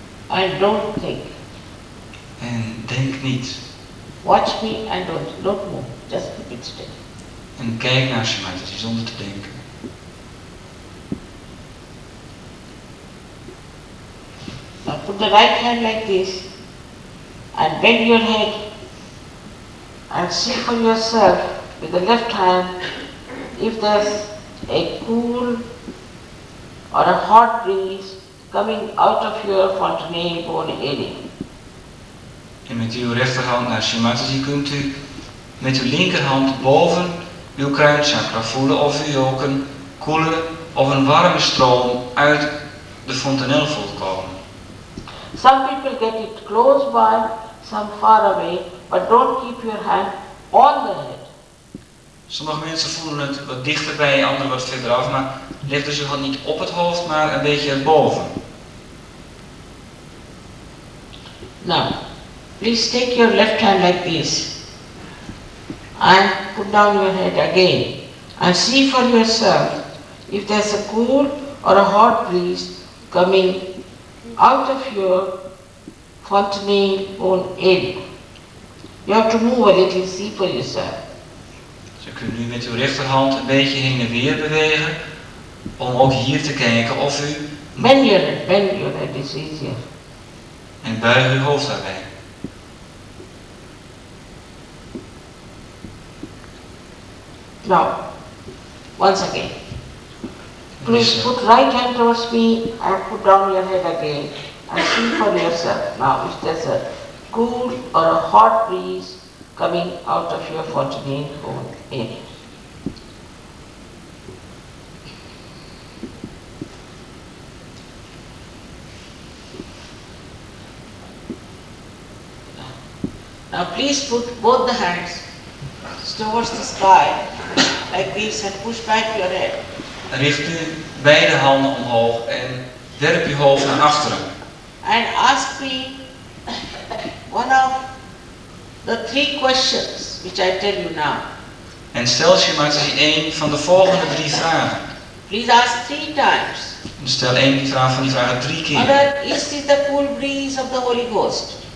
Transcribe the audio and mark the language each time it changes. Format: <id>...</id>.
<en>I don't think.</en> <nl>En denk niet.</nl> <en>Watch me and don't move. Just keep it still.</en> <nl>En kijk naar Shimataji zonder te denken.</nl> <en>put the right hand like this and bend your head and see for yourself with the left hand if there's a cool or a hot breeze coming out of your fontanel bone area.</en> <nl>En met uw rechterhand naar Shri Mataji kunt u met uw linkerhand boven uw kruinchakra voelen of u ook een koele of een warme stroom uit de fontanel voelt komen.</nl> <en>Some people get it close by, some far away, but don't keep your hand on the head.</en> <nl>Sommige mensen voelen het wat dichterbij, anderen wat verder af, maar leg dus je hand niet op het hoofd, maar een beetje erboven.</nl> <en>Now, please take your left hand like this and put down your head again and see for yourself if there's a cool or a hot breeze coming out of your fontanel bone area. You have to move a little, see for yourself.</en> <nl>Je kunt nu met uw rechterhand een beetje heen en weer bewegen om ook hier te kijken of u...</nl> <en>Bend your head, it's easier.</en> <nl>En buig uw hoofd daarbij.</nl> <en>Now, once again, please put right hand towards me and put down your head again and see for yourself now if there's a cool or a hot breeze coming out of your fontanel bone area. Now please put both the hands towards the sky like this and push back your head.</en> <nl>Richt u beide handen omhoog en werp uw hoofd naar achteren.</nl> <en>And ask me one of the three questions which I tell you now.</en> <nl>En stel je maar eens één van de volgende drie vragen.</nl> <en>Please ask three times.</en> <nl>En stel één vraag van die vragen drie keer.</nl> <en>Mother, is this the cool breeze of the Holy Ghost?</en>